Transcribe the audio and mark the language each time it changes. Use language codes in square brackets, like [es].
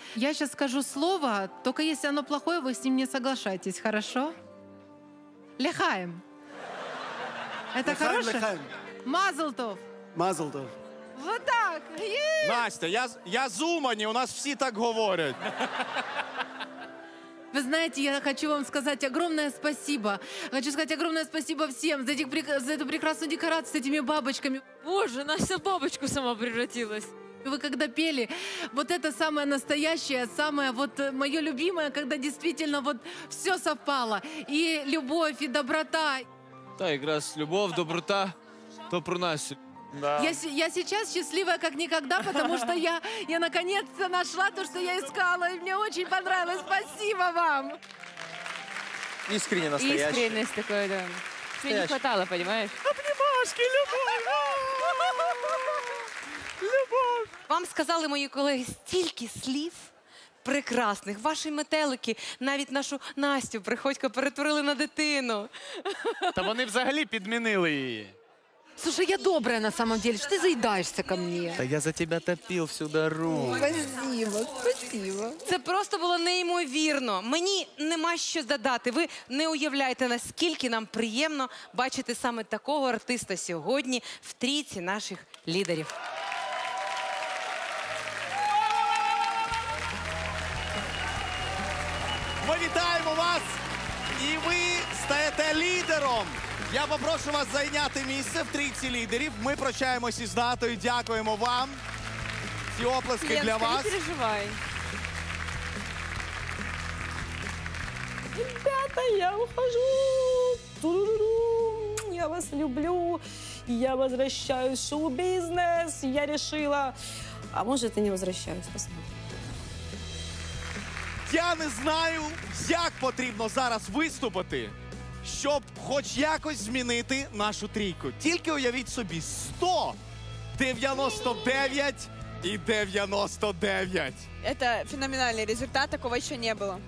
[uk] Я зараз скажу слово, тільки якщо воно [ru] плохое, [uk] ви з ним [ru] не соглашайтесь, хорошо? [uk] Ляхаєм. Це хороше? Ляхаєм. Мазлтов. Мазлтов. [ru] Вот так. [uk] Настя, я з Умані, у нас всі так говорять. [ru] Вы знаете, я хочу вам сказать огромное спасибо. Хочу сказать огромное спасибо всем за, за эту прекрасную декорацию с этими бабочками. Боже, Настя в бабочку сама превратилась. Вы когда пели, вот это самое настоящее, самое вот мое любимое, когда действительно вот все совпало. И любовь, и доброта. Та игра с любовь, доброта, то про Настю. Да. Я сейчас счастливая, как никогда, потому что я наконец-то нашла то, что я искала, и мне очень понравилось. Спасибо вам! Искренне настоящее. Искренность такой, да. Настоящий. Мне не хватало, понимаешь? Обнимашки, любовь! Любовь! Вам сказали мои коллеги столько слов прекрасных. [uk] Ваши метелики навіть нашу Настю Приходько перетворили на дитину. Та вони взагалі підмінили її. [ru] Слушай, я добрая на самом деле, что ты заедаешься ко мне? Да я за тебя топил всю дорогу. Спасибо, спасибо. Это просто было [uk] неймовірно. [ru] Мне нема что додати. [uk] Вы не уявляете, [ru] насколько нам приятно [uk] бачити саме такого артиста сьогодні в трійці наших лідерів. Ми вітаємо вас, і ви стаєте лідером. Я попрошу вас зайняти місце в трійці лідерів. Ми прощаємося з Натою, дякуємо вам. Ці оплески для вас. Не переживай. [ru] Ребята, я ухожу. Я вас люблю. Я возвращаюсь в шоу-бізнес. Я решила. [uk] А може, ти [ru] не возвращаюсь, посмотрим. [uk] Я не знаю, як потрібно зараз виступити. Щоб хоч якось змінити нашу трійку. Тільки уявіть собі, 100, 99 і 99. Це феноменальний результат, такого ще не було.